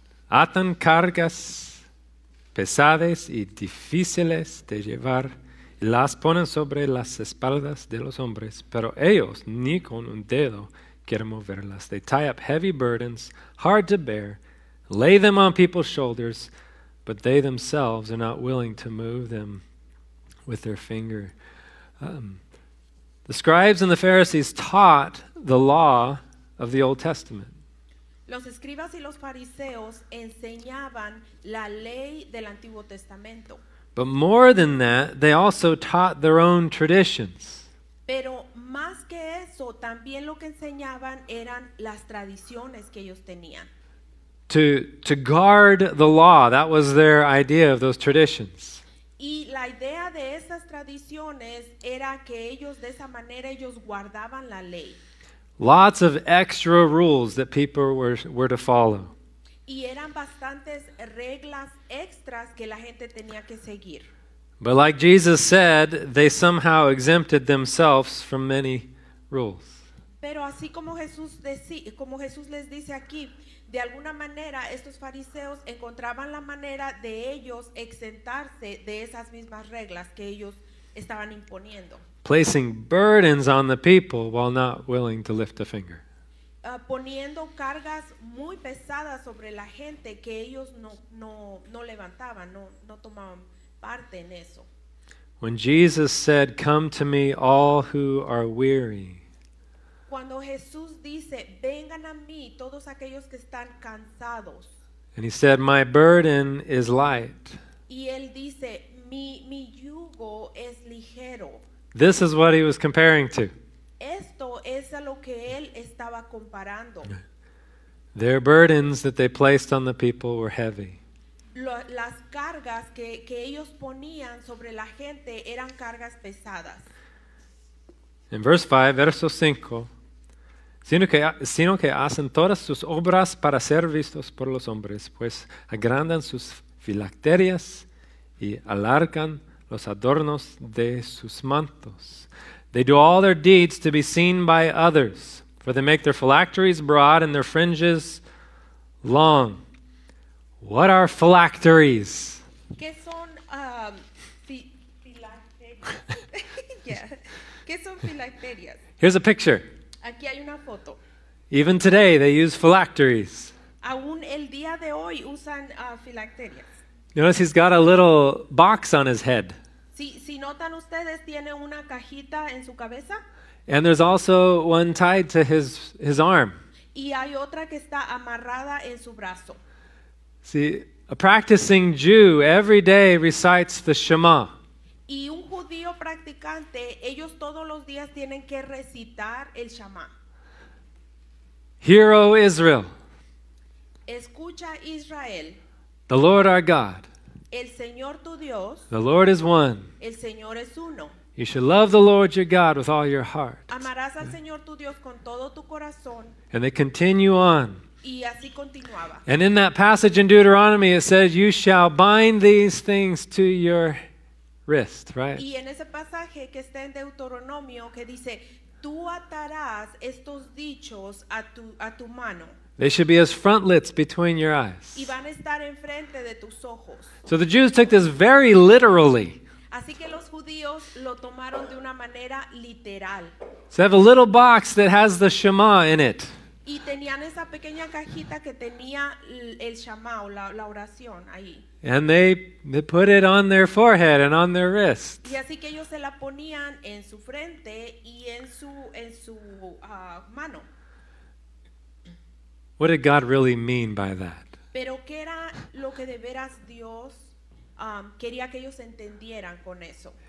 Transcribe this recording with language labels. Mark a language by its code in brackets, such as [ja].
[es] Atan cargas pesadas y difíciles de llevar, las ponen sobre las espaldas de los hombres, pero ellos ni con un dedo quieren moverlas. [en] They tie up heavy burdens, hard to bear, lay them on people's shoulders, but they themselves are not willing to move them with their finger. The scribes and the Pharisees taught the law of the Old Testament. [es] Los escribas y los fariseos enseñaban la ley del Antiguo Testamento. [en] But more than that, they also taught their own traditions. [es] Pero más que eso, también lo que enseñaban eran las tradiciones que ellos tenían. [en] To guard the law, that was their idea of those traditions. [es] Y la idea de esas tradiciones era que ellos, de esa manera, ellos guardaban la ley. [en] Lots of extra rules that people were to follow. [es] Y eran bastantes reglas extras que la gente tenía que seguir. [en] But like Jesus said, they somehow exempted themselves from many rules. [es] Pero así como Jesús les dice aquí, de alguna manera estos fariseos encontraban la manera de ellos exentarse de esas mismas reglas que ellos estaban imponiendo. [en] Placing burdens on the people while not willing to lift a finger. [es] Poniendo cargas muy pesadas sobre la gente que ellos no levantaban, no tomaban parte en eso. [en] When Jesus said, "Come to me, all who are weary." [es] Cuando Jesús dice, "Vengan a mí todos aquellos que están cansados." [en] And he said, "My burden is light." [es] Y él dice, "Mi yugo es ligero." [en] This is what he was comparing to. [es] Esto es a lo que él estaba comparando. [en] Their burdens that they placed on the people were heavy. [es] Las cargas que ellos ponían sobre la gente eran cargas pesadas. En verso 5, sino que hacen todas sus obras para ser vistos por los hombres, pues agrandan sus filacterias y alargan los adornos de sus mantos. [en] They do all their deeds to be seen by others, for they make their phylacteries broad and their fringes long. What are phylacteries? [es] ¿Qué son filacterias? ¿Qué son filacterias? [en] Here's a picture. [es] Aquí hay una foto. [en] Even today they use phylacteries. [es] Aún el día de hoy usan filacterias. [en] Notice he's got a little box on his head. [es] Si notan ustedes, tiene una cajita en su cabeza. [en] And there's also one tied to his arm. [es] Y hay otra que está amarrada en su brazo. [en] See, a practicing Jew every day recites the Shema. [es] Y un judío practicante, ellos todos los días tienen que recitar el Shema. [en] Hear, O Israel. [es] Escucha, Israel. [en] The Lord our God. [es] El Señor tu Dios. [en] The Lord is one. [es] El Señor es uno. [en] You should love the Lord your God with all your heart. [es] Amarás al Señor tu Dios con todo tu corazón. [en] And they continue on. [es] Y así continuaba. [en] And in that passage in Deuteronomy it says, "You shall bind these things to your wrist," right? [es] Y en ese pasaje que está en Deuteronomio que dice, "Tú atarás estos dichos a tu mano." [en] They should be as frontlets between your eyes. [es] Y van a estar enfrente de tus ojos. [en] So the Jews took this very literally. [es] Así que los judíos lo tomaron de una manera literal. [en] So they have a little box that has the Shema in it. [es] Y tenían esa pequeña cajita que tenía el Shema o la oración ahí. [en] And they put it on their forehead and on their wrist. [es] Y así que ellos se la ponían en su frente y en su mano. [en] What did God really mean by that? [es] Pero ¿qué era lo que de veras Dios quería que ellos entendieran con eso?